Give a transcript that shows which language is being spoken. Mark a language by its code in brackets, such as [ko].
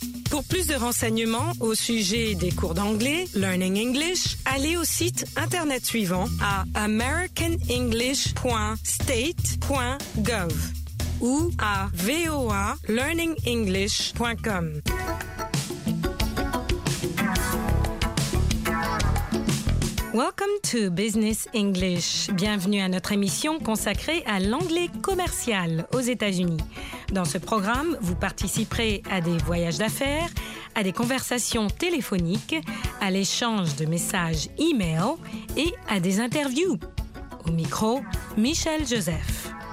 [fr] Pour plus de renseignements au sujet des cours d'anglais, Learning English, allez au site internet suivant à americanenglish.state.gov ou à voalearningenglish.com. [en] Welcome to Business English. [fr] Bienvenue à notre émission consacrée à l'anglais commercial aux États-Unis. Dans ce programme, vous participerez à des voyages d'affaires, à des conversations téléphoniques, à l'échange de messages e-mail et à des interviews. Au micro, Michel Joseph.